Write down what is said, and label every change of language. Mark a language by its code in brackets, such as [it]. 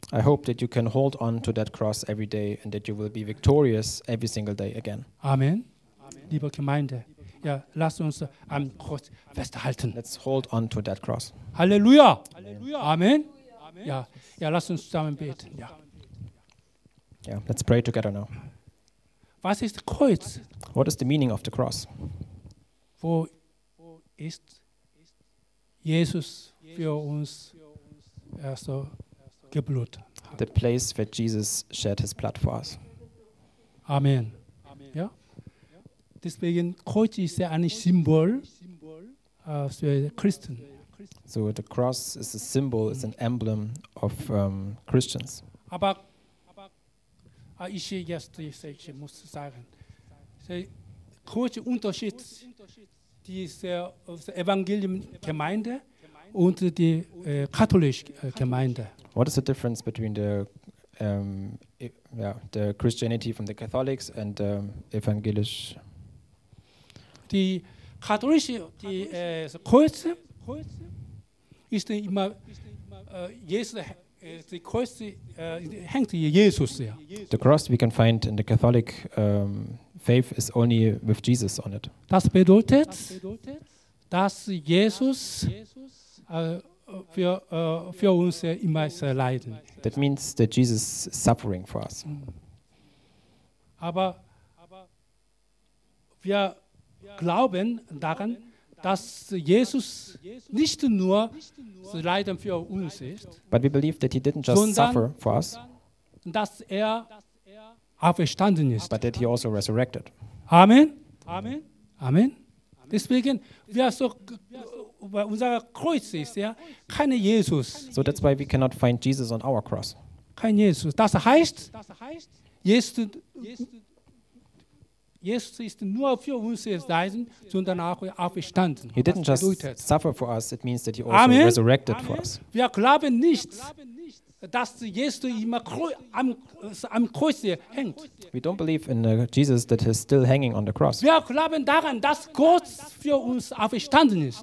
[en] I hope that you can hold on to that cross every day and that you will be victorious every single day again. Amen. [de] Liebe Gemeinde, ja, lasst uns am Kreuz festhalten. [en] Let's hold on to that cross. [de] Halleluja. Amen. Amen. Ja, ja, lasst uns zusammen beten. Ja. [en] Yeah, let's pray together now. [de] Was ist Kreuz? [en] What is the meaning of the cross? [de] Wo ist Jesus für uns also geblutet? [en] The place where Jesus shed his blood for us. [de] Amen. Ja? Deswegen Kreuz ist ein Symbol für Christen. [en] So the cross is a symbol, is an emblem of Christians. [de] Aber ich jetzt muss sagen, große Unterschied dieser evangelischen Gemeinde und die katholische Gemeinde. [en] What is the difference between the Christianity from the Catholics and the evangelisch? [de] Die katholische, die Kreuz ist immer Jesus. [en] The cross we can find in the Catholic faith is only with Jesus on it. [de] Das bedeutet, dass Jesus für uns immer leiden. [en] That means that Jesus is suffering for us. [de] Aber wir glauben daran, dass Jesus nicht nur leiden für uns ist, [en] but we believe that he didn't just suffer for us, [de] dass er auferstanden ist, [en] but that he also resurrected. Amen. Amen. Amen. [de] Deswegen wir so unser Kreuz ist ja kein Jesus. [en] So that's why we cannot find Jesus on our cross. [de] Kein Jesus. Das heißt, Jesus ist nur für uns leiden, sondern auch auferstanden. [en] He didn't just suffer for us, it means that he also Amen. Resurrected Amen. For us. [de] Wir glauben nicht, dass Jesus immer am Kreuz hängt. [en] We don't believe in Jesus that is still hanging on the cross. [de] Wir glauben daran, dass Gott für uns auferstanden ist.